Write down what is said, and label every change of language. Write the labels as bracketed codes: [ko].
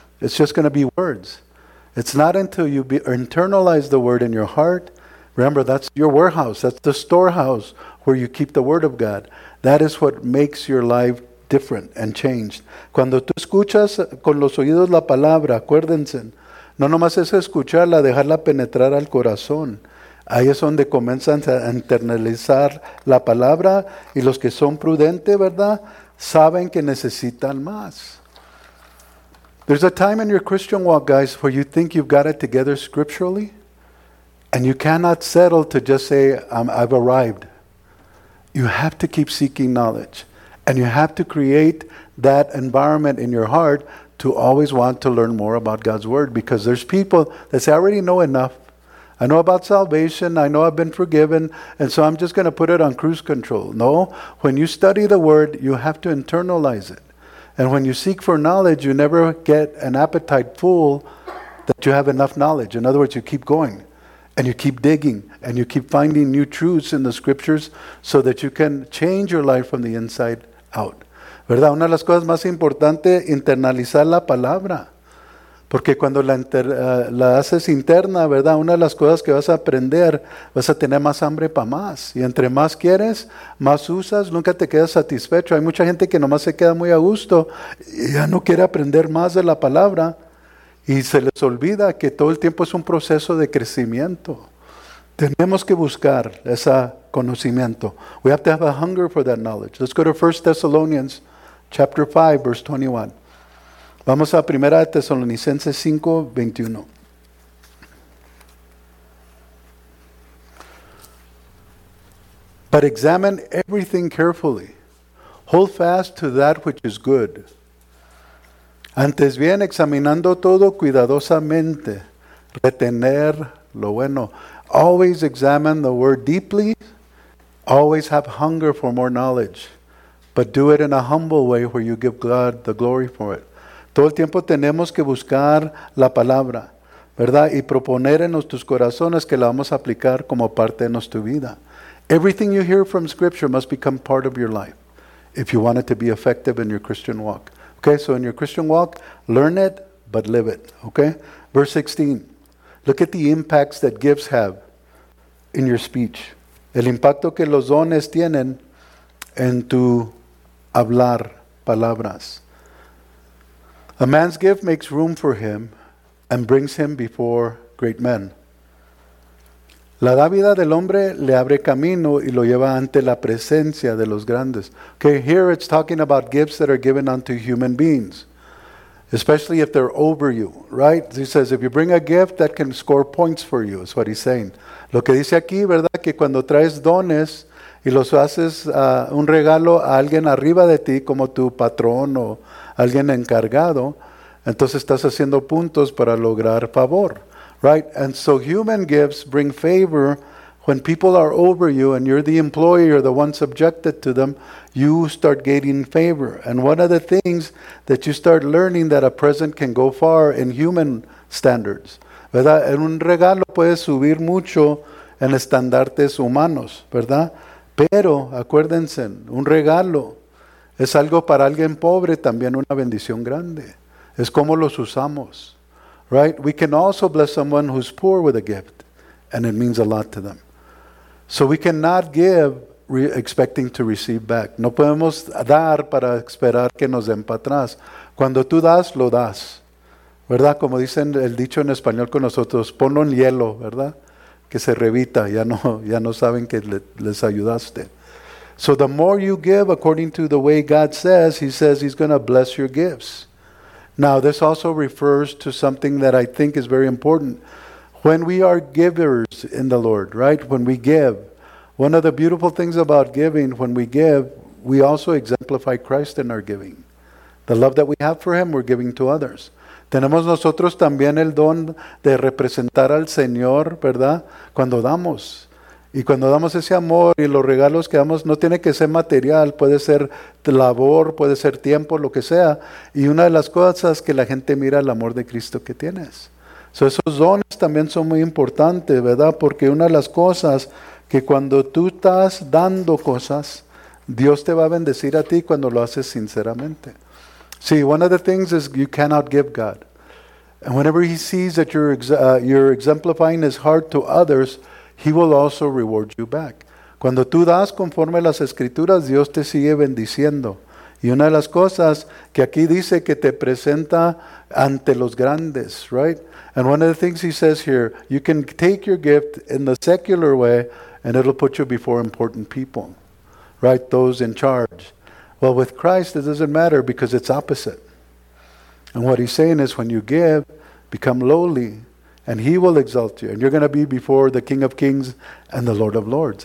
[en] It's just going to be words. It's not until you internalize the word in your heart. Remember, that's your warehouse. That's the storehouse where you keep the word of God. That is what makes your life different and changed. [es] Cuando tú escuchas con los oídos la palabra, acuérdense, no nomás es escucharla, dejarla penetrar al corazón. Ahí es donde comienzan a internalizar la palabra y los que son prudentes, ¿verdad? Saben que necesitan más. [en] There's a time in your Christian walk, guys, where you think you've got it together scripturally and you cannot settle to just say, I've arrived. You have to keep seeking knowledge and you have to create that environment in your heart to always want to learn more about God's word, because there's people that say, I already know enough. I know about salvation. I know I've been forgiven. And so I'm just going to put it on cruise control. No, when you study the word, you have to internalize it. And when you seek for knowledge, you never get an appetite full that you have enough knowledge. In other words, you keep going and you keep digging and you keep finding new truths in the scriptures so that you can change your life from the inside out. [es] ¿Verdad? Una de las cosas más importantes, internalizar la palabra. Porque cuando la haces interna, ¿verdad? Una de las cosas que vas a aprender, vas a tener más hambre para más. Y entre más quieres, más usas, nunca te quedas satisfecho. Hay mucha gente que nomás se queda muy a gusto y ya no quiere aprender más de la palabra. Y se les olvida que todo el tiempo es un proceso de crecimiento. Tenemos que buscar ese conocimiento. [en] We have to have a hunger for that knowledge. Let's go to 1 Thessalonians chapter 5, verse 21. [es] Vamos a 1 Tesalonicenses 5, 21. [en] But examine everything carefully. Hold fast to that which is good. [es] Antes bien, examinando todo cuidadosamente, retener lo bueno. [en] Always examine the word deeply. Always have hunger for more knowledge. But do it in a humble way where you give God the glory for it. [es] Todo el tiempo tenemos que buscar la palabra, ¿verdad? Y proponer en nuestros corazones que la vamos a aplicar como parte de nuestra vida. [en] Everything you hear from Scripture must become part of your life if you want it to be effective in your Christian walk. Okay, so in your Christian walk, learn it, but live it. Okay, verse 16. Look at the impacts that gifts have in your speech. [es] El impacto que los dones tienen en tu hablar palabras. [en] A man's gift makes room for him and brings him before great men. [es] La dádiva del hombre le abre camino y lo lleva ante la presencia de los grandes. [en] Okay, here it's talking about gifts that are given unto human beings. Especially if they're over you, right? He says, if you bring a gift, that can score points for you, is what he's saying. [es] Lo que dice aquí, ¿verdad? Que cuando traes dones y los haces un regalo a alguien arriba de ti, como tu patrón o alguien encargado, entonces estás haciendo puntos para lograr favor, right? [en] And so human gifts bring favor when people are over you and you're the employee or the one subjected to them, you start gaining favor. And one of the things that you start learning that a present can go far in human standards, ¿verdad? [es] En un regalo puede subir mucho en estandartes humanos, ¿verdad? Pero acuérdense, un regalo es algo para alguien pobre, también una bendición grande. Es como los usamos, right? [en] We can also bless someone who's poor with a gift, and it means a lot to them. So we cannot give expecting to receive back. [es] No podemos dar para esperar que nos den para atrás. Cuando tú das, lo das, ¿verdad? Como dicen el dicho en español con nosotros, ponlo en hielo, ¿verdad? Que se revita, ya no saben que les ayudaste. [en] So the more you give according to the way God says he's going to bless your gifts. Now, this also refers to something that I think is very important. When we are givers in the Lord, right? When we give, one of the beautiful things about giving, when we give, we also exemplify Christ in our giving. The love that we have for him, we're giving to others. [es] Tenemos nosotros también el don de representar al Señor, ¿verdad? Cuando damos. Y cuando damos ese amor y los regalos que damos, no tiene que ser material, puede ser labor, puede ser tiempo, lo que sea. Y una de las cosas que la gente mira el amor de Cristo que tienes. So esos dones también son muy importantes, ¿verdad? Porque una de las cosas que cuando tú estás dando cosas, Dios te va a bendecir a ti cuando lo haces sinceramente. [en] See, one of the things is you cannot give God. And whenever he sees that you're exemplifying his heart to others, he will also reward you back. [es] Cuando tú das conforme a las escrituras, Dios te sigue bendiciendo. Y una de las cosas que aquí dice que te presenta ante los grandes, right? [en] And one of the things he says here, you can take your gift in the secular way and it'll put you before important people, right? Those in charge. Well, with Christ, it doesn't matter because it's opposite. And what he's saying is when you give, become lowly and he will exalt you. And you're going to be before the King of Kings and the Lord of Lords.